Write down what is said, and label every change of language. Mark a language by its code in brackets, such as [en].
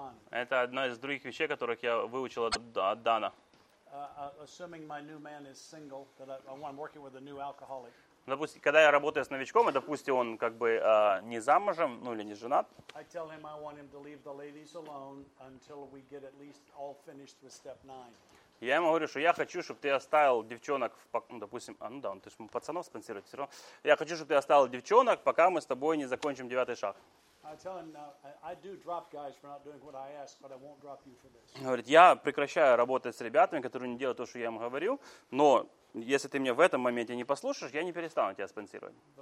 [ru] Это одна из других вещей, которых я выучил от Дана. [en] Assuming my new man is single, that I want working with a new alcoholic. [ru] Допустим, когда я работаю с новичком, и, допустим, он как бы не замужем, ну или не женат. [en] I tell him I want him to leave the ladies alone until we get at least all finished with step 9. [ru] Я ему говорю, что я хочу, чтобы ты оставил девчонок, ты же пацанов спонсируешь, все равно. Я хочу, чтобы ты оставил девчонок, пока мы с тобой не закончим 9-й шаг. Говорит, я прекращаю работать с ребятами, которые не делают то, что я им говорил, но если ты меня в этом моменте не послушаешь, я не перестану тебя спонсировать.